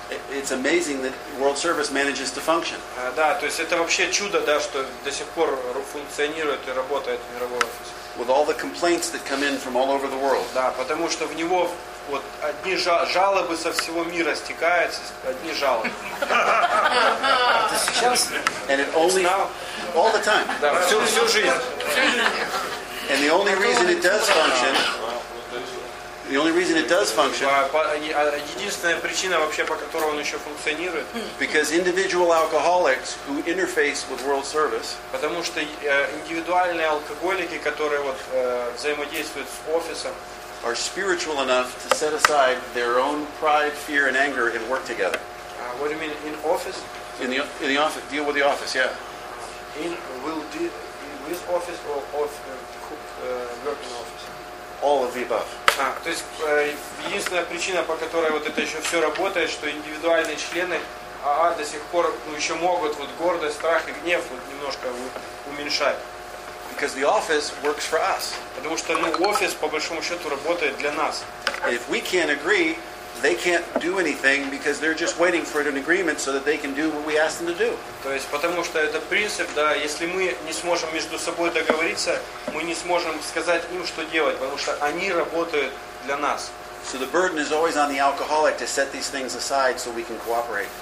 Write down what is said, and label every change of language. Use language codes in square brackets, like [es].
[en] It's amazing that World Service manages to function. [ru] Да, то есть это вообще чудо, да, что до сих пор функционирует и работает мировой офис. [en] With all the complaints that come in from all over the world. [ru] Да, потому что в него вот одни жалобы со всего мира стекаются, одни жалобы. Сейчас. [en] And it only all the time. [ru] Да, всю жизнь. [en] And the only reason it does function. The only reason it does function. [ru] Единственная причина вообще, по которой он еще функционирует. [en] Because individual alcoholics who interface with World Service. [ru] Потому что индивидуальные алкоголики, которые вот взаимодействуют с офисом. [en] Are spiritual enough to set aside their own pride, fear, and anger and work together. What do you mean in office? In the office, deal with the office, yeah. In will deal with office or work in office. All of the above. [ru] То есть единственная причина, по которой вот это еще все работает, что индивидуальные члены АА до сих пор еще могут вот гордость, страх и гнев вот немножко уменьшать. [en] Because the office works for us. [ru] Потому что офис по большому счету работает для нас. [en] If we can't agree, they can't do anything because they're just waiting for an agreement so that they can do what we ask them to do. [ru] То есть потому что это принцип, да, если мы не сможем между собой договориться, мы не сможем сказать им, что делать, потому что они работают для нас. [en] So the burden is always on the alcoholic to set these things aside so we can cooperate.